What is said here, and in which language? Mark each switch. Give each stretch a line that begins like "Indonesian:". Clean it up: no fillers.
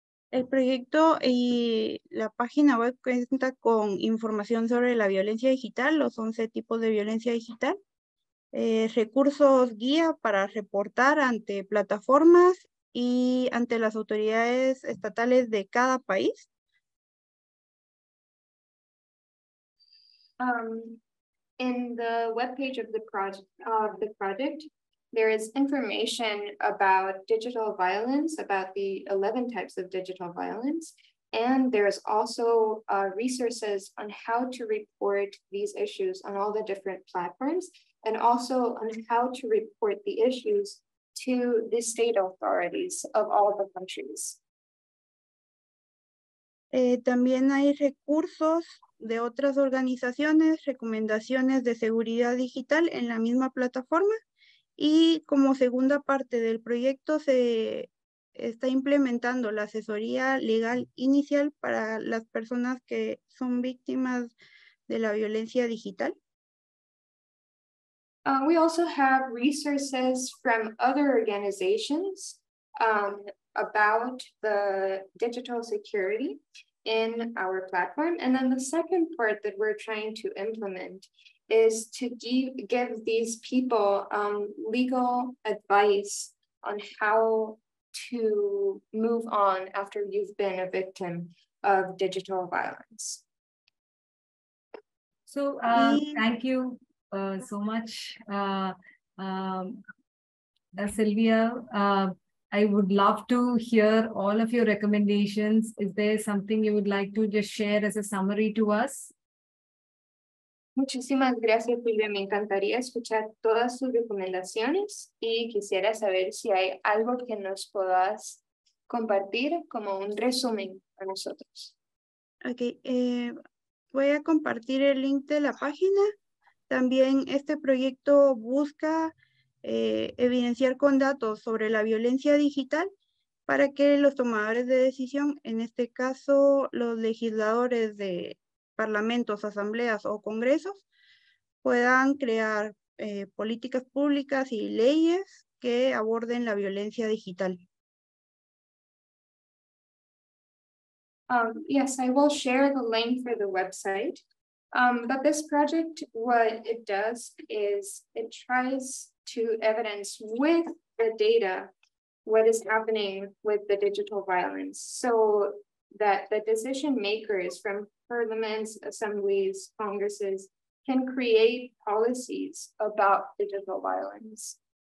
Spanish: El proyecto y la página web cuenta con información sobre la violencia digital, los 11 tipos de violencia digital, recursos guía para reportar ante plataformas y ante las autoridades estatales de cada país.
English: In the webpage of the project, there is information about digital violence, about the 11 types of digital violence, and there's also resources on how to report these issues on all the different platforms, and also on how to report the issues to the state authorities of all the countries.
Spanish: También hay recursos de otras organizaciones, recomendaciones de seguridad digital en la misma plataforma. Y como segunda parte del proyecto se está implementando la asesoría legal inicial para las personas que son víctimas de la violencia digital.
English: We also have resources from other organizations about the digital security in our platform. And then the second part that we're trying to implement is to give these people legal advice on how to move on after you've been a victim of digital violence. So thank you so much, Sylvia. I would love to hear all of your recommendations. Is there something you would like to just share as a summary to us?
Spanish: Muchísimas gracias, Silvia. Me encantaría escuchar todas sus recomendaciones y quisiera saber si hay algo que nos puedas compartir como un resumen a nosotros. Ok, voy a compartir el link de la página. También este proyecto busca evidenciar con datos sobre la violencia digital para que los tomadores de decisión, en este caso los legisladores de parlamentos, asambleas o congresos, puedan crear políticas públicas y leyes que aborden la violencia digital.
English: Yes, I will share the link for the website. But this project, what it does is it tries to evidence with the data what is happening with the digital violence, so that the decision makers from parliaments, assemblies, congresses can create policies about digital violence.